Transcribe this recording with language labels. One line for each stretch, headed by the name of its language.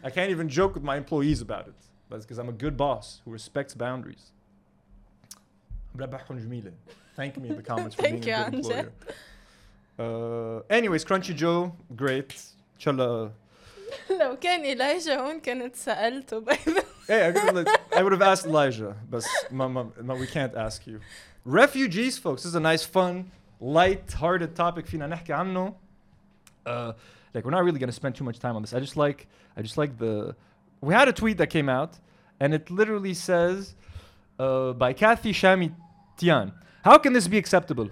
English: I can't even joke with my employees about it. That's because I'm a good boss who respects boundaries. Thank me in the comments for being a good employer. Anyways, Crunchy Joe, great. Chala.
Arabic: لو كان إليجه هون كانت سألته
English: Hey, I would have asked Elijah, but we can't ask you. Refugees, folks, this is a nice, fun, light-hearted topic.
Arabic: فينا نحكي عنه.
English: Like, we're not really going to spend too much time on this. I just like the We had a tweet that came out, and it literally says, by Kathy Shami Tian, how can this be acceptable?